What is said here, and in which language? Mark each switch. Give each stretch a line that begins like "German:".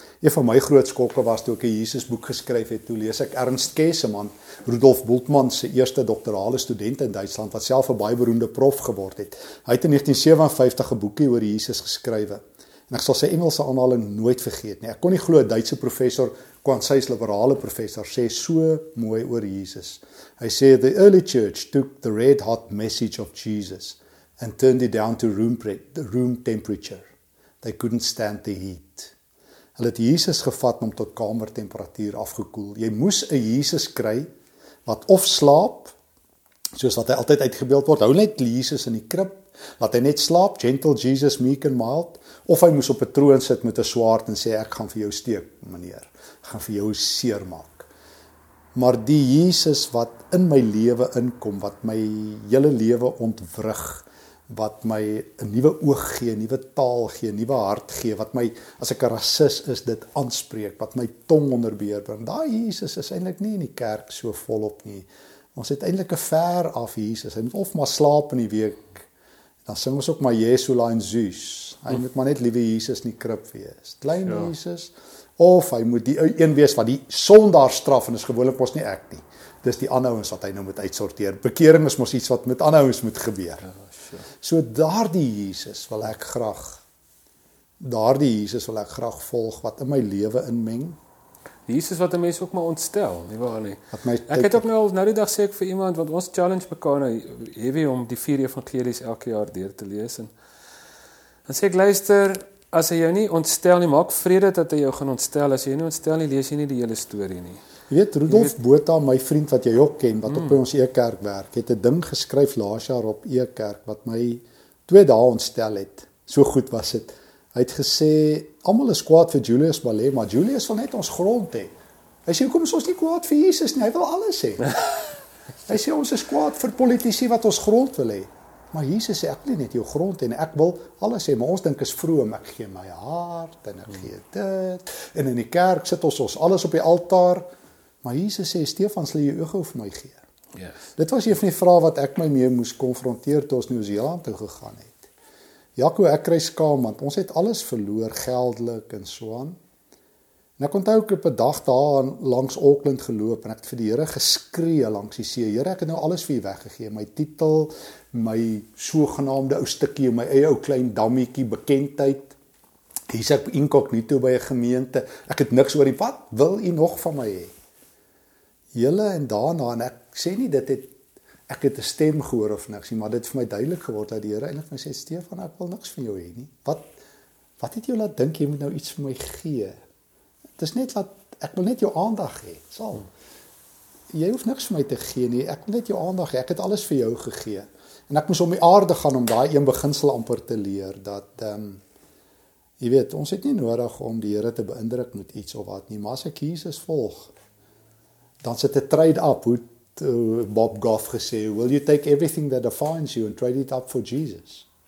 Afrikaans: Een van my groot skokke was toe ek 'n Jesus boek geskryf het, toe lees ek Ernst Kesemann, Rudolf Bultmann se eerste doktorale student in Duitsland, wat self 'n baie beroemde prof geword het. Hy het in 1957 'n boekie oor Jesus geskrywe. En ek sal sy Engelse aanhaling nooit vergeet nie. Ek kon nie glo 'n Duitse professor, kon sy liberale professor, sê so mooi oor Jesus. Hy sê,
English: the early church took the red hot message of Jesus and turned it down to room temperature. They couldn't stand the heat.
Afrikaans: Hulle het Jesus gevat om tot kamertemperatuur afgekoel. Jy moes 'n Jesus kry, wat of slaap, soos wat hy altyd uitgebeeld word, hou net Jesus in die krib, laat hy net slaap,
English: gentle Jesus, meek and mild,
Afrikaans: of hy moes op 'n troon sit met 'n swaard en sê, ek gaan vir jou steek, meneer, ek gaan vir jou seer maak. Maar die Jesus wat in my lewe inkom, wat my hele lewe ontwrig, wat my 'n nuwe oog gee, 'n nuwe taal gee, 'n nuwe hart gee, wat my, as ek 'n rasis is, dit aanspreek, wat my tong onder beheer bring. Daai Jesus is eintlik nie in die kerk so volop nie. Ons het eintlik 'n ver af Jesus. Hy moet of maar slaap in die week, dan sing ons ook maar Jesula en Zeus. Hy moet maar net liewe Jesus in die krib wees. Klein ja. Jesus, of hy moet die een wees wat die sondaar straf, en is gewoonlik mos nie ek nie. Dis die aanhouings wat hy nou moet uitsorteer. Bekering is mos iets wat met aanhouings moet gebeur. So daardie Jesus wil ek graag volg, wat in my lewe inmeng. Jesus wat 'n mens ook maar ontstel, nie waar nie. Ek het ook nou die dag sê ek vir iemand, want ons challenge mekaar nou heavy om die vier evangelies elke jaar deur te lees. En sê ek, luister, as hy jou nie ontstel nie, maak vrede dat hy jou gaan ontstel. As hy jou nie ontstel nie, lees jy nie die hele story nie. Jy weet, Rudolf Botha, my vriend wat jy ook ken, wat op ons E-kerk werk, het 'n ding geskryf laas jaar op E-kerk, wat my 2 dae ontstel het. So goed was het. Hy het gesê, allemaal is kwaad vir Julius Malema, maar Julius wil net ons grond hê. Hy sê, kom, ons nie kwaad vir Jesus nie, hy wil alles hê. Hy sê, ons is kwaad vir politici wat ons grond wil hê. Maar Jesus sê, ek wil net jou grond en ek wil alles hê, maar ons dink is vroom, ek gee my hart en ek gee dit. En in die kerk sit ons alles op die altaar. Maar Jesus sê, Stefan, sal jy jou ogen vir my gee?
English: Yes.
Afrikaans: Dit was een van die vraag wat ek my mee moes konfronteer toe ons Nieu-Seeland toe gegaan het. Jaco, ek kry skaam, want ons het alles verloor, geldelik en so aan. En ek onthou ek op 'n dag daar langs Auckland geloop en ek het vir die Here geskree langs die see. Here, ek het nou alles vir u weggegee, my titel, my sogenaamde ou stukkie, my eie ou klein dammetjie, bekendheid. Hier sit ek incognito by 'n gemeente. Ek het niks oor die wat wil u nog van my hê? Julle en daarna, en ek sê nie dit het, ek het 'n stem gehoor of niks nie, maar dit het vir my duidelik geword dat die Here eintlik my sê, Stefan, ek wil niks van jou hê nie. Wat het jou laat dink, jy moet nou iets vir my gee? Het is net wat, ek wil net jou aandag hê, sal. Jy hoef niks vir my te gee nie, ek wil net jou aandag hê, ek het alles vir jou gegee. En ek moes om die aarde gaan om daai een beginsel amper te leer, dat, jy weet, ons het nie nodig om die Here te beïndruk met iets of wat nie, maar as ek Jesus volg, dan sit 'n trade-up, hoe Bob Goff gesê,
English: will you take everything that defines you and trade it up for Jesus?